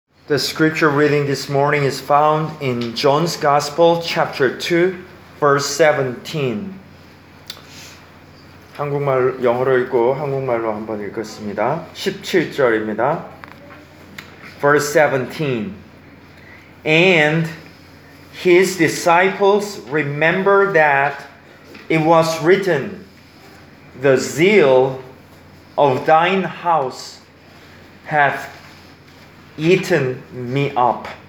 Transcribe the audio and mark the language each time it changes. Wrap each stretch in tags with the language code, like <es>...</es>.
<en>The scripture reading this morning is found in John's Gospel, chapter 2, verse 17.</en> <ko>한국말 영어로 읽고 한국말로 한번 읽겠습니다. 17절입니다.</ko> <en>Verse 17. And his disciples remember that it was written, "The zeal of thine house hath eaten me up."</en>